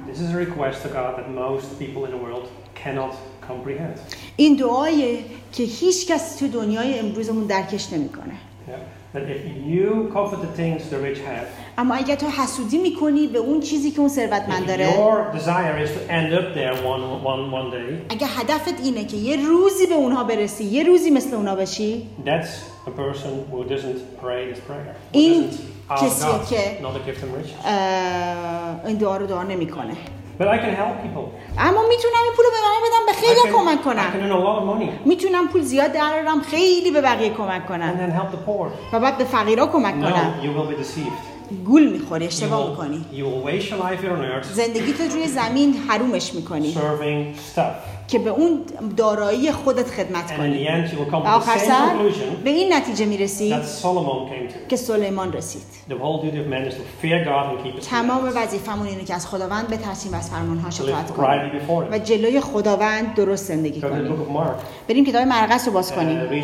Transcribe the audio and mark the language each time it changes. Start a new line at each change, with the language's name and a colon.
English: This is a request to God that most people in the world cannot comprehend.
Persian: این دعاییه که هیچ کس تو دنیای امروزمون درکش نمیکنه.
English: But if you covet the things the rich have,
Persian: اما اگه تو حسودی میکنی به اون چیزی که اون ثروتمند داره,
English: your desire is to end up there one day,
Persian: اگه هدفت اینه که یه روزی به اونها برسی, یه روزی مثل اونها بشی,
English: that's a person who doesn't pray this prayer.
Persian: این کسی که
English: not a gift of riches.
Persian: این دعا رو دعا نمیکنه.
English: But I can help people.
Persian: اما میتونم این پول رو به بقیه بدم, به خیلی کمک کنم.
English: I can earn a lot of money.
Persian: میتونم پول زیاد درآورم, خیلی به بقیه کمک کنم.
English: And then help the poor.
Persian: و بعد به فقیرا کمک کنم.
English: No, you will be deceived.
Persian: گول میخوری, اشتباه میکنی.
English: You will waste your life here on earth.
Persian: زندگی تو روی زمین حرومش میکنی.
English: Serving stuff.
Persian: که به اون دارایی خودت خدمت کنی.
English: And in the end, you will come to the same conclusion.
Persian: به این نتیجه میرسی.
English: That Solomon came to.
Persian: که سلیمان رسید.
English: The whole duty of man is to fear God and keep His.
Persian: تمام وظیفه‌مون اینه که از خداوند بترسیم و از فرمانهاش اطاعت کنیم. و جلوی خداوند درست زندگی کنیم.
English: Go to the book of Mark.
Persian: بریم کتاب مرقس رو باز کنیم.